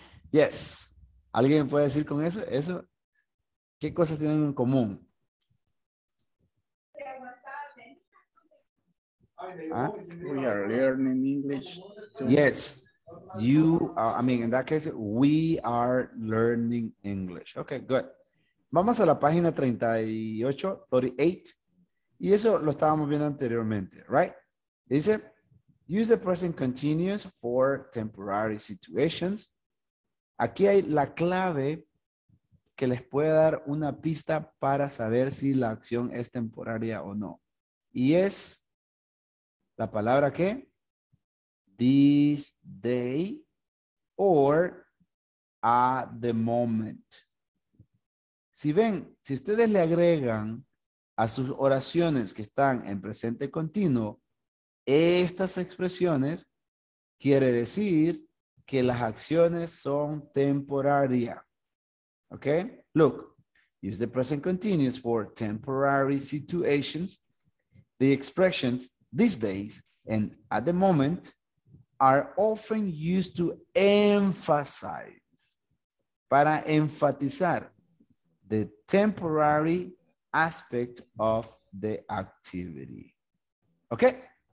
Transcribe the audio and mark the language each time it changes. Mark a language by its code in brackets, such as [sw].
[es] Yes. ¿Alguien puede decir con eso? ¿Eso? ¿Qué cosas tienen en común? [en] We are learning English. Yes, you are, I mean, in that case, we are learning English. Okay, good. [es] Vamos a la página 38, y eso lo estábamos viendo anteriormente, right? [en] Dice, use the present continuous for temporary situations. [es] Aquí hay la clave que les puede dar una pista para saber si la acción es temporaria o no. Y es la palabra que, [en] this day or at the moment. [es] Si ven, si ustedes le agregan a sus oraciones que están en presente continuo, estas expresiones quiere decir que las acciones son temporarias. [en] Ok, look, use the present continuous for temporary situations. The expressions these days and at the moment are often used to emphasize, [es] para enfatizar, [en] the temporary aspect of the activity. Okay?